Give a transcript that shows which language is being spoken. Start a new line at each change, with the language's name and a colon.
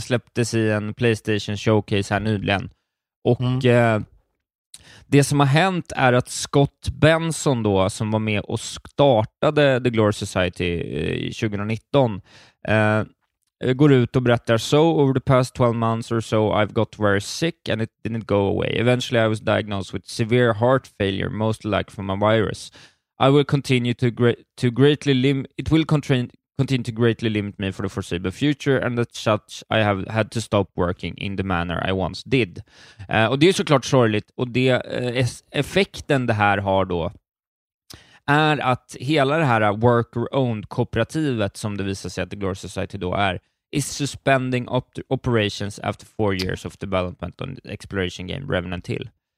Swedish: Släpptes i en PlayStation Showcase här nyligen. Och det som har hänt är att Scott Benson då som var med och startade The Glory Society 2019 går ut och berättar:
English: "So over the past 12 months or so I've got very sick and it didn't go away. Eventually I was diagnosed with severe heart failure, most likely from a virus. I will continue to continue to greatly limit me for the foreseeable future and as such I have had to stop working in the manner I once did."
Swedish: Och det är såklart sorgligt, och det effekten det här har då är att hela det här worker-owned kooperativet som det visar sig att The Glory Society då är
English: is suspending operations after 4 years of development on the exploration game Revenant Hill.